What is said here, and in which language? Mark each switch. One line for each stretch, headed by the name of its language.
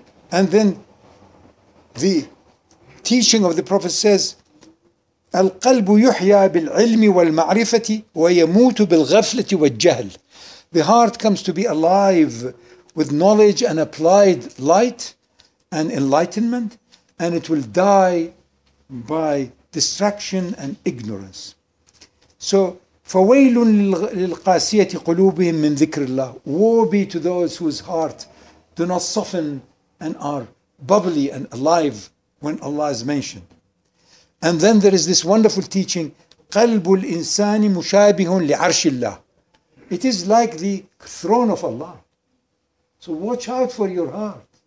English: And then the teaching of the Prophet says,
Arabic: القلب يحيى بالعلم والمعرفة ويموت بالغفلة والجهل.
English: The heart comes to be alive with knowledge and applied light and enlightenment, and it will die by distraction and ignorance.
Arabic: So فويل للقاسية قلوبهم من ذكر الله.
English: Woe be to those whose heart do not soften and are bubbly and alive when Allah is mentioned. And then there is this wonderful teaching,
Arabic: قلب الإنسان مشابه لعرش الله.
English: It is like the throne of Allah. So watch out for your heart.